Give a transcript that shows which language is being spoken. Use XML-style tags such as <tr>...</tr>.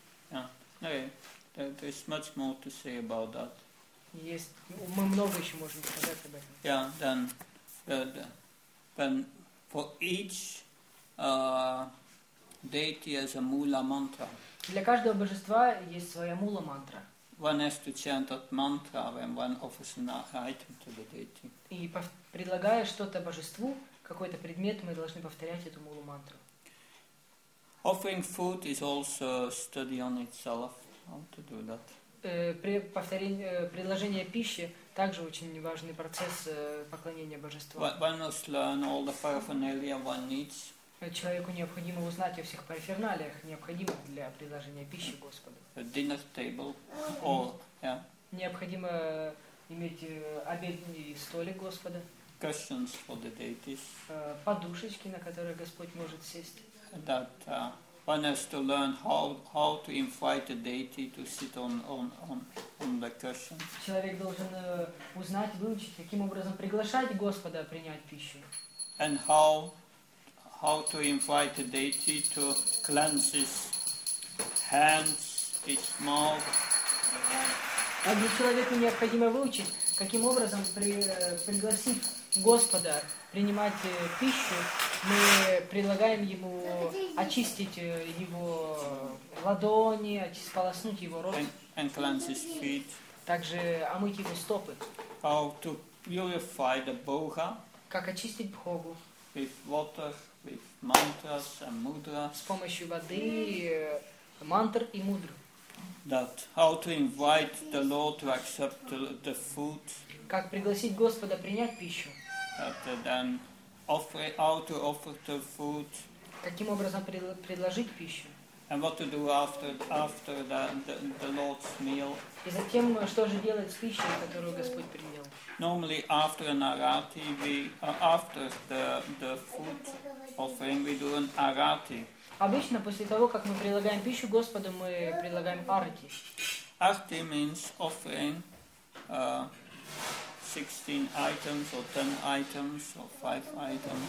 <en>Yeah. Okay. There is much more to say about that.</en> <ru>Есть. Мы много еще можем сказать об этом.</ru> <en>Yeah. Then, when for each deity has a mula mantra.</en> <ru>Для каждого божества есть своя мула мантра.</ru> <en>One has to chant that mantra when one offers an item to the deity.</en> <ru>И предлагая что-то божеству, какой-то предмет, мы должны повторять эту мулу мантру.</ru> <en>Offering food is also a study on itself. How to do that?</en> <ru>Предложение пищи также очень важный процесс поклонения божеству. Человеку необходимо узнать о всех параферналиях, необходимых для предложения пищи Господу.</ru> <en>Dinner table. Or, yeah.</en> <ru>Необходимо иметь обедный столик Господа.</ru> <en>cushions for the deities.</en> <ru>Подушечки, на которые Господь может сесть.</ru> <en>That one has to learn how to invite a deity to sit on the cushion.</en> <ru>Человек должен узнать, выучить, каким образом приглашать Господа принять пищу.</ru> <en>And how to invite a deity to cleanse his hands, his mouth.</en> <ru>А для человека необходимо выучить, каким образом пригласить Господа принимать пищу. Мы предлагаем ему очистить его ладони, сполоснуть его рот.</ru> <en>And cleanse his feet.</en> <ru>Также омыть его стопы.</ru> <en>How to purify the Bhoga.</en> <ru>Как очистить Бхогу.</ru> <en>With water, with mantras and mudras.</en> <ru>С помощью воды, мантр и мудр.</ru> <en>That how to invite the Lord to accept the food.</en> <ru>Как пригласить Господа принять пищу.</ru> <en>Then offer how to offer the food.</en> <ru>Каким образом предложить пищу.</ru> <en>And what to do after the Lord's meal.</en> <ru>И затем, что же делать с пищей, которую Господь принял.</ru> <en>Normally after an arati, after the food offering, we do an arati.</en> <ru>Обычно после того, как мы предлагаем пищу Господу, мы предлагаем арати.</ru> <en>Arati means offering 16 items or 10 items or 5 items.</en>